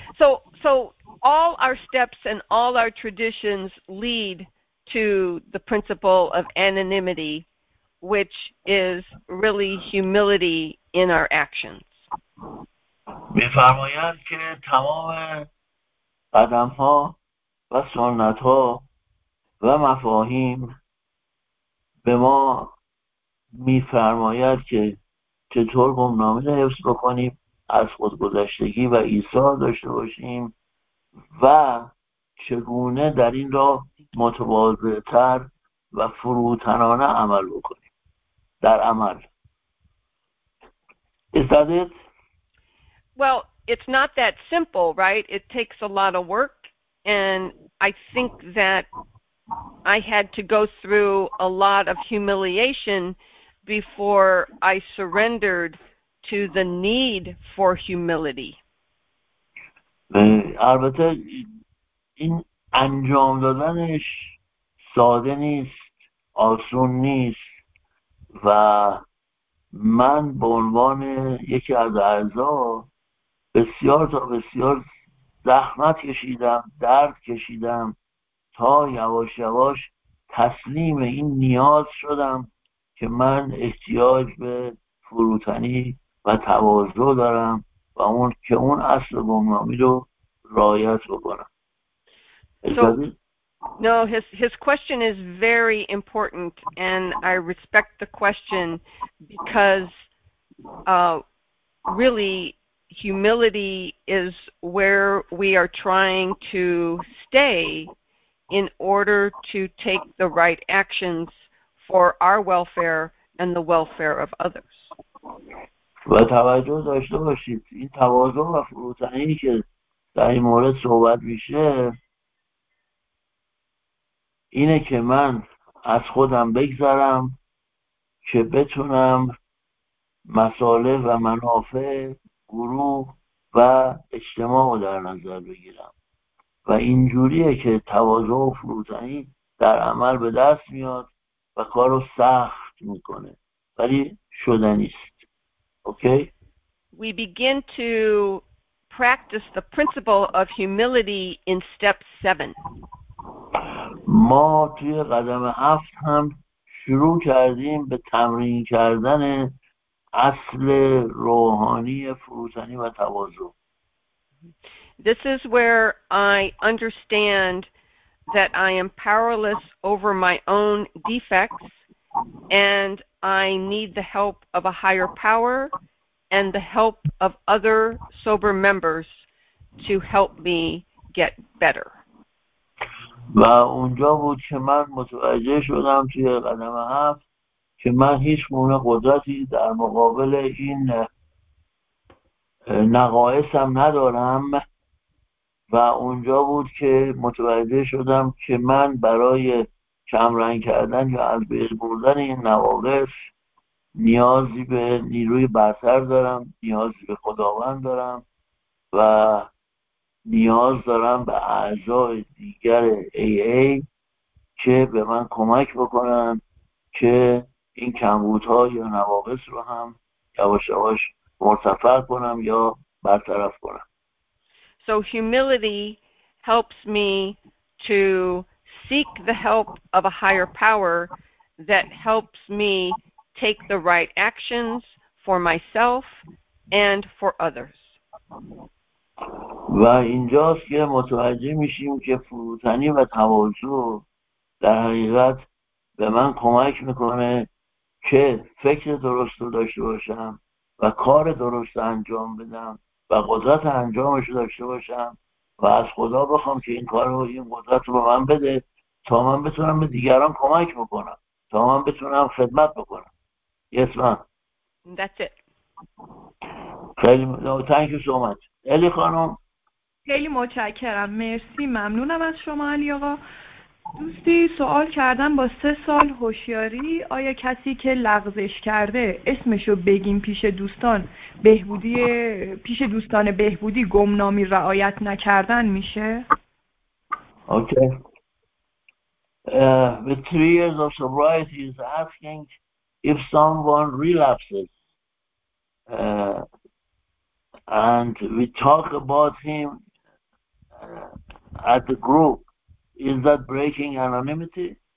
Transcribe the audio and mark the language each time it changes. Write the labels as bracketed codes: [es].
[en] So all our steps and all our traditions lead to the principle of anonymity, which is really humility in our actions. [fa] می فرماید که تمام قدم ها و سنت ها و مفاهیم به ما می فرماید که چطور گمنامی رو حفظ بکنیم، از خودگذشتگی و ایثار داشته باشیم و چگونه در این راه متواضع تر و فروتنانه عمل بکنیم. [en] That amal. Is that it? Well, it's not that simple, right? It takes a lot of work, and I think that I had to go through a lot of humiliation before I surrendered to the need for humility. [fa] البته این انجام دادنش ساده نیست، آسون نیست. و من به عنوان یکی از اعضا بسیار تا بسیار زحمت کشیدم، درد کشیدم تا یواش یواش تسلیم این نیاز شدم که من احتیاج به فروتنی و تواضع دارم و اون که اون اصل گمنامی رو رعایت بکنم. [en] No, his question is very important, and I respect the question because really humility is where we are trying to stay in order to take the right actions for our welfare and the welfare of others. [fa] اینه که من از خودم بگذرم که بتونم مصالح و منافع گروه و اجتماع رو در نظر بگیرم و اینجوریه که تواضع و فروتنی در عمل به دست میاد و کارو سخت میکنه ولی شدنیست. اوکی؟ [en] we begin to practice the principle of humility in step 7. [fa] ما توی قدم 7 هم شروع کردیم به تمرین کردن اصل روحانی فروتنی و تواضع. [en] This is where I understand that I am powerless over my own defects and I need the help of a higher power and the help of other sober members to help me get better. [fa] و اونجا بود که من متوجه شدم توی قدم 7 که من هیچ گونه قدرتی در مقابل این نقایصم ندارم و اونجا بود که متوجه شدم که من برای کمرنگ کردن یا از بین بردن این نواقص نیازی به نیروی برتر دارم، نیازی به خداوند دارم و نیاز دارم به اعضای دیگر AA که به من کمک بکنن که این کمبودها یا نواقص رو هم یواش یواش مرتفع کنم یا برطرف کنم. [en] So humility helps me to seek the help of a higher power that helps me take the right actions for myself and for others. [fa] و اینجاست که متوجه میشیم که فروتنی و تواضع در حقیقت به من کمک میکنه که فکر درست رو داشته باشم و کار درست انجام بدم و قدرت انجامش رو داشته باشم و از خدا بخوام که این کار رو این قدرت رو به من بده تا من بتونم به دیگران کمک بکنم، تا من بتونم خدمت بکنم. [en] Yes, ma'am. That's it. No, thank you so much. الی خانم. [fa] خیلی متشکرم. مرسی. ممنونم از شما علی آقا. دوستی سوال کردن با 3 سال هوشیاری آیا کسی که لغزش کرده اسمشو بگیم پیش دوستان بهبودی پیش دوستان بهبودی گمنامی رعایت نکردن میشه؟ [en] Okay. The 3 years of sobriety is asking if someone relapses and we talk about him at the group. Is that breaking anonymity?